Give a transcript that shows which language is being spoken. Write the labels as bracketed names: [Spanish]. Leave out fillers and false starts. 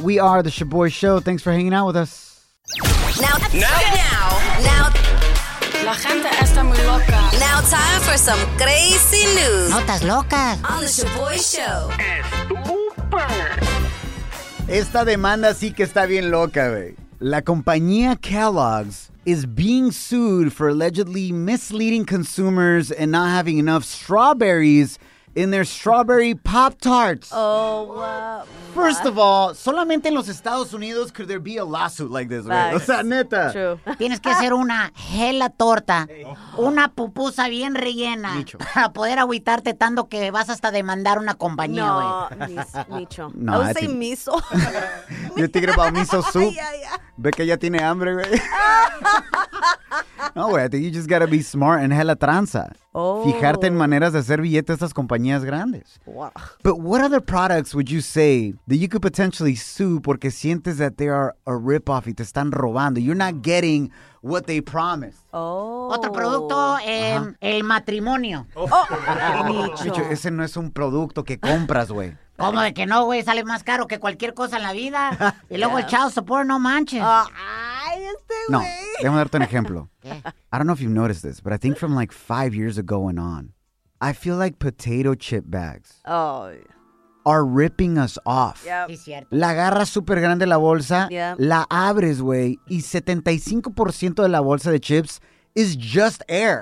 [English] We are the Shaboy Show. Thanks for hanging out with us. Now. [Spanish] La gente está muy loca. [English] Now, time for some crazy news. [Spanish] Notas locas. [English] On the Shaboy Show. [Spanish] Esta demanda sí que está bien loca, güey. La compañía [English] Kellogg's is being sued for allegedly misleading consumers and not having enough strawberries in their strawberry Pop-Tarts. Oh, wow. First of all, [Spanish] solamente en los Estados Unidos [English] could there be a lawsuit like this, güey. Facts. [Spanish] O sea, neta. [English] True. [Spanish] Tienes que hacer una hella torta, una pupusa bien rellena, Micho. Para poder agüitarte tanto que vas hasta demandar una compañía, güey. No, Micho. No, [English] I would say miso. You're thinking about miso soup? Yeah. [Spanish] Ve que ya tiene hambre, güey. No, güey, [English] I think you just gotta be smart and hella tranza. Oh. [Spanish] Fijarte en maneras de hacer billetes a estas compañías grandes. [English] Wow. But what other products would you say that you could potentially sue [Spanish] porque sientes [English] that they are a rip-off [Spanish] y te están robando? [English] You're not getting what they promised. Oh. [Spanish] Otro producto, el matrimonio. [English] Oh. Micho, [Spanish] ese no es un producto que compras, güey. ¿Cómo de que no, güey? Sale más caro que cualquier cosa en la vida. Y luego [English] yeah. [Spanish] el child support, no manches. Ay, este güey. No, déjame darte un ejemplo. ¿Qué? [English] I don't know if you've noticed this, but I think from like 5 years ago and on, I feel like potato chip bags. Oh, yeah. are ripping us off. Yep. [Spanish] La agarra super grande la bolsa, [English] yep. [Spanish] La abres, güey, y 75% de la bolsa de chips [English] is just air.